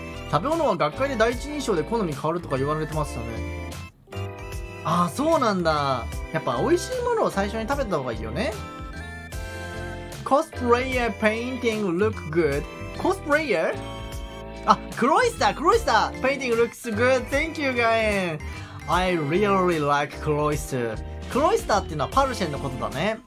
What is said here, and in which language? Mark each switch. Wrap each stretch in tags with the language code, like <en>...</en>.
<ja>食べ物は学会で第一印象で好み変わるとか言われてますよね。ああそうなんだ。やっぱ美味しいものを最初に食べた方がいいよね。</ja> <en>コスプレイヤーペインティングルックグッド。コスプレイヤー、</en> <ja>あ、クロイスだ、クロイスだ。</ja> <en>ペインティングルックスグッド、 Thank you again. I really like クロイス。</en> <ja>クロイスだっていうのはパルシェンのことだね。</ja>